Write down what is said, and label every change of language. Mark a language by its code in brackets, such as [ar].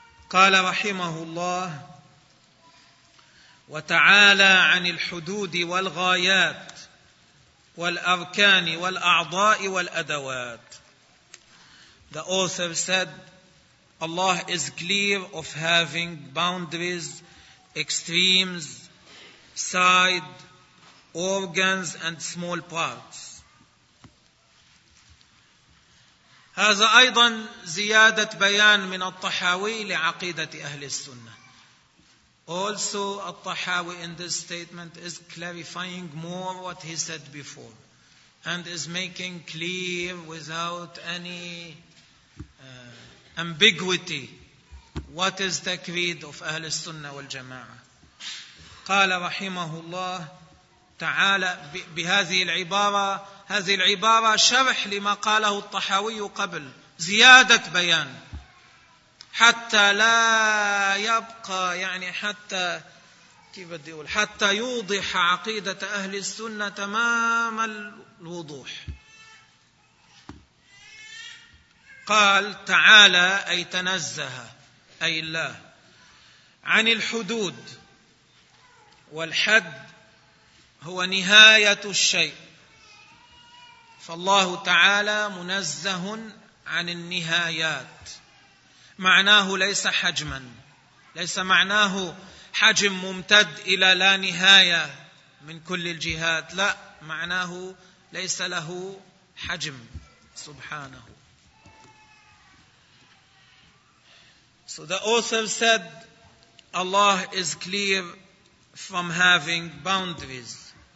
[ar] قال رحمه الله وتعالى عن الحدود والغايات والأركان والأعضاء والأدوات. [en] The author said, Allah is clear of having boundaries, extremes, side, organs, and small parts. [ar] هذا أيضا زيادة بيان من الطحاوي لعقيدة أهل السنة. [en] Also, الطحاوي in this statement is clarifying more what he said before, and is making clear without any ambiguity what is the creed of أهل السنة والجماعة. [ar] قال رحمه الله تعالى بهذه العبارة, هذه العبارة شرح لما قاله الطحاوي قبل, زيادة بيان حتى لا يبقى, يعني حتى كيف بدي أقول, حتى يوضح عقيدة أهل السنة تمام الوضوح. قال تعالى أي تنزه, أي الله, عن الحدود والحد هو نهاية الشيء، فالله تعالى منزه عن النهايات، معناه ليس حجما، ليس معناه حجم ممتد إلى لا نهاية من كل الجهات، لا، معناه ليس له حجم سبحانه. [en] So the author said, Allah is clear from having boundaries.